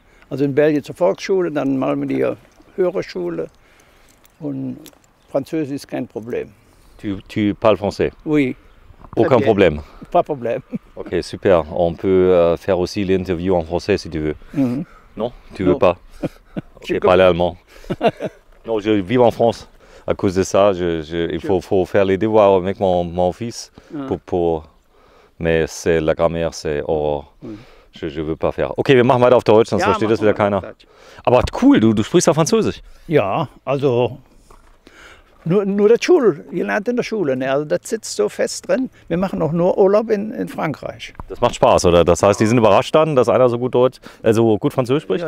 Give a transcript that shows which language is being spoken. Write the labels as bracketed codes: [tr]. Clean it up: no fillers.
[de] Also in Belgien zur Volksschule, dann in Malmedy höhere Schule und Französisch ist kein Problem. [fr] Tu parles français? Oui. Aucun problème? Pas problème. Ok, super. On peut faire aussi l'interview en français si tu veux. Mm-hmm. Non? Tu veux pas? Ok, parler allemand. Non, je vis en France. À cause de ça, il faut faire les devoirs avec mon fils. Pour, mais c'est la grammaire, c'est horreur. Je veux pas faire. [de] Okay, wir machen weiter auf Deutsch, sonst versteht das wieder keiner. Aber cool, du sprichst ja Französisch. Ja, also Nur der Schule, ihr lernt in der Schule. Ne? Also das sitzt so fest drin. Wir machen auch nur Urlaub in Frankreich. Das macht Spaß, oder? Das heißt, die sind überrascht dann, dass einer so gut Deutsch, also gut Französisch spricht?